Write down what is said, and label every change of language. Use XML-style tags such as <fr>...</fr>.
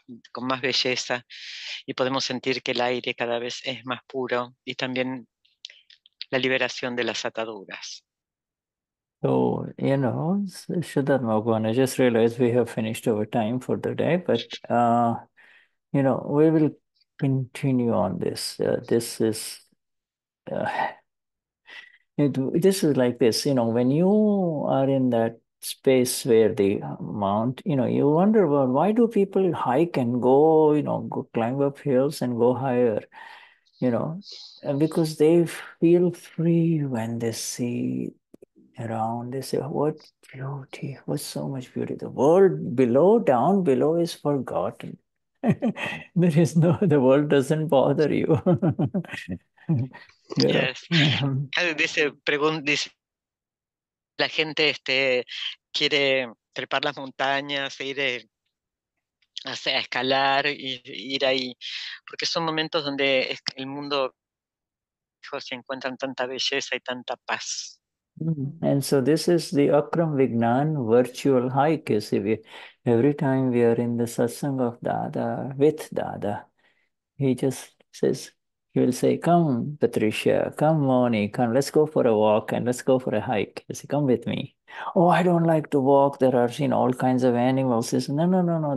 <es>con más belleza, y podemos sentir que el aire cada vez es más puro, y también la liberación de las ataduras.</es> <en>So, you know, Sridhar Bhagwan, I just realized we have finished our time for the day, but, you know, we will continue on this. This is like this, you know, when you are in that space where the mount, you know, you wonder, well, why do people hike and go, you know, go climb up hills and go higher? You know, and because they feel free when they see around, they say, what beauty, what so much beauty. The world below, down below is forgotten. There is no, the world doesn't bother you. Yes.</en> <es>Dice, la gente quiere trepar las montañas, ir a escalar y ir ahí, porque son momentos donde el mundo se encuentran tanta belleza y tanta paz.</es> <en>And so this is the Akram Vignan virtual hike. You see, every time we are in the satsang of Dada, with Dada, he just says, he will say, come Patricia, come Moni, come, let's go for a walk and let's go for a hike. You see, come with me. Oh, I don't like to walk. There are, you know, all kinds of animals. He says, no.</en>